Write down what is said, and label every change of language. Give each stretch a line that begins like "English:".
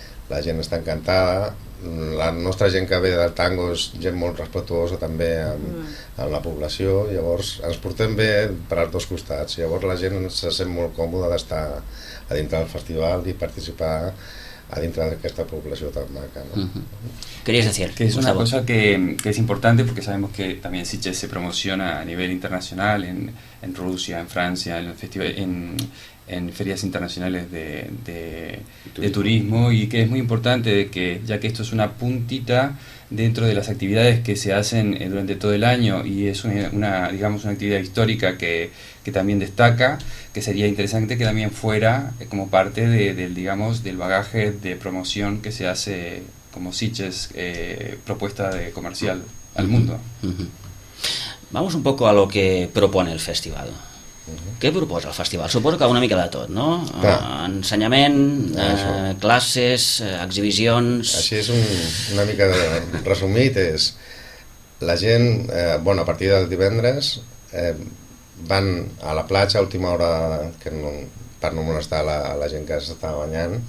Catalan: la gent està encantada. La nostra gent que ve del tango és gent molt respectuosa també amb, amb la població, llavors ens portem bé per als dos costats, llavors la gent se sent molt còmoda d'estar a dintre del festival i participar a dintre d'aquesta població tan maca, no?
Spanish: Querías decir, que es una cosa que es importante porque sabemos que también Sitges se promociona a nivel internacional en Rusia, en Francia, en el festival, en ferias internacionales de turismo, y que es muy importante que, ya que esto es una puntita dentro de las actividades que se hacen durante todo el año y es una digamos una actividad histórica que también destaca, que sería interesante que también fuera como parte del digamos del bagaje de promoción que se hace como Sitges, propuesta de comercial al mundo. Vamos un poco a lo que propone el festival.
Catalan: Què proposa el festival? Suposo que una mica de tot, no? Ensenyament, classes, exhibicions... Així és una mica de resumit. És, la gent, bueno, a partir del divendres, van a la platja a última hora, que no, per no molestar la gent que s'està banyant.